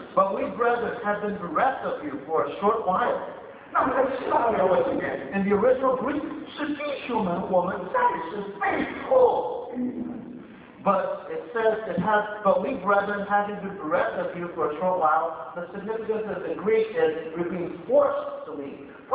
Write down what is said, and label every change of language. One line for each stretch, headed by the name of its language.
English: but we brethren have been bereft of you for a short while.
Chinese: 那么在希腊文里面,
English: in the original Greek,
Chinese: 是弟兄们我们暂时被迫,
English: but it says it has, but we brethren having been bereft of you for a short while, the significance of the Greek is we're being forced to leave.